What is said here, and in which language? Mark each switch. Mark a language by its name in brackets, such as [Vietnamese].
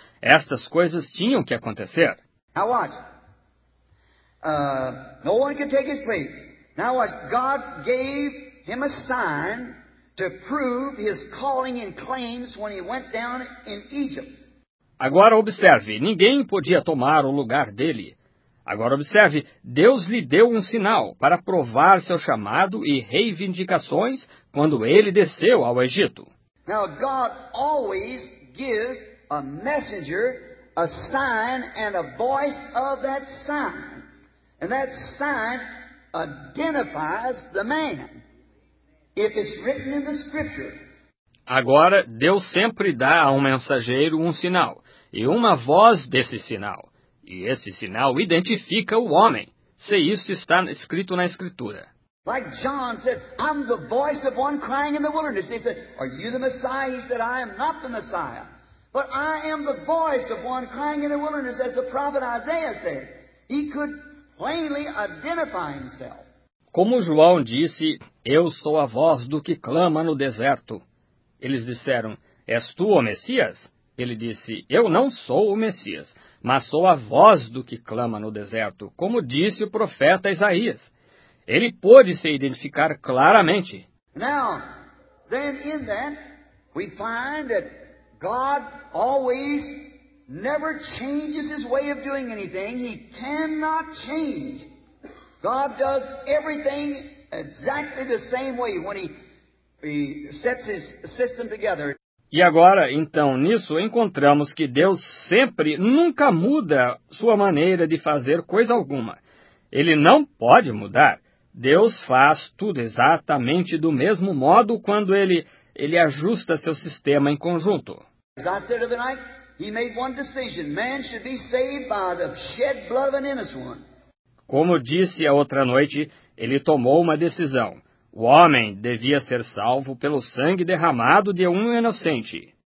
[Portuguese] Estas coisas tinham que acontecer. [English] Now watch. No one could take his place. Now watch. God gave him a sign to prove his calling and claims when he went down in Egypt. [Portuguese] Agora observe. Ninguém podia tomar o lugar dele. Agora observe. Deus lhe deu um sinal para provar seu chamado e reivindicações quando ele desceu ao Egito. [English] Now God always gives a messenger, a sign, and a voice of that sign. And that sign identifies the man. If it's written in the scripture. [Portuguese] Agora, Deus sempre dá a um mensageiro um sinal, e uma voz desse sinal. E esse sinal identifica o homem, se isso está escrito na escritura. [English] Like John said, I'm the voice of one crying in the wilderness. He said, are you the Messiah? He said, I am not the Messiah. But I am the voice of one crying in the wilderness, as the prophet Isaiah said. He could plainly identify himself. [Portuguese] Como João disse, eu sou a voz do que clama no deserto. Eles disseram, és tu o Messias? Ele disse, eu não sou o Messias, mas sou a voz do que clama no deserto, como disse o profeta Isaías. Ele pôde se identificar claramente. [English] Now, then in that, we find that God always never changes his way of doing anything. He cannot change. God does everything exactly the same way when he sets his system together. [Portuguese] E agora, então, nisso, encontramos que Deus sempre, nunca muda sua maneira de fazer coisa alguma. Ele não pode mudar. Deus faz tudo exatamente do mesmo modo quando ele ajusta seu sistema em conjunto. [English] As I said the other night, He made one decision. Man should be saved by the shed blood of an innocent one. [Portuguese] Como disse a outra noite, ele tomou uma decisão. O homem devia ser salvo pelo sangue derramado de um inocente.